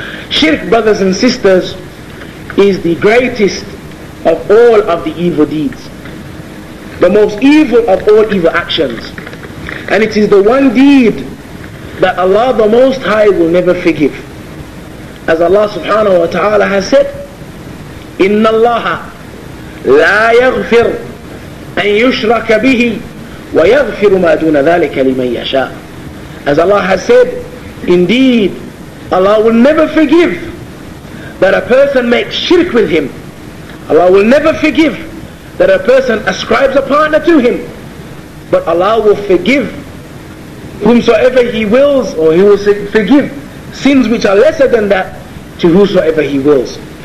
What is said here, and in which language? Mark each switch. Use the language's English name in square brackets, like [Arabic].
[English] Shirk, brothers and sisters, is the greatest of all of the evil deeds, the most evil of all evil actions. And it is the one deed that Allah the Most High will never forgive. As Allah subhanahu wa ta'ala has said, [Arabic] إِنَّ اللَّهَ لَا يَغْفِرْ أَن يُشْرَكَ بِهِ وَيَغْفِرُ مَا دُونَ ذَلِكَ لِمَنْ يَشَاءُ. [English] As Allah has said, indeed, Allah will never forgive that a person makes shirk with Him. Allah will never forgive that a person ascribes a partner to Him. But Allah will forgive whomsoever He wills, or He will forgive sins which are lesser than that to whosoever He wills.